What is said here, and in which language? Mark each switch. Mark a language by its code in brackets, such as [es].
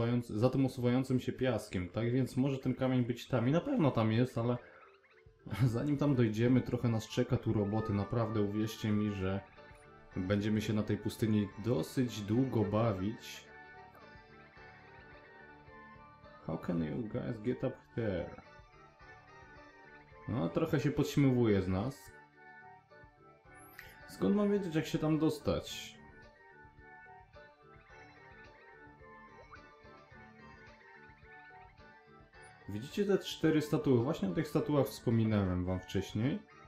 [pl] Za tym osuwającym się piaskiem, tak więc może ten kamień być tam i na pewno tam jest, ale zanim tam dojdziemy, trochę nas czeka tu roboty. Naprawdę uwierzcie mi, że będziemy się na tej pustyni dosyć długo bawić. [en] How can you guys get up there? [pl] No, trochę się podśmiewuje z nas. Skąd mam wiedzieć, jak się tam dostać? Widzicie te cztery statuły? Właśnie o tych statuach wspominałem wam wcześniej.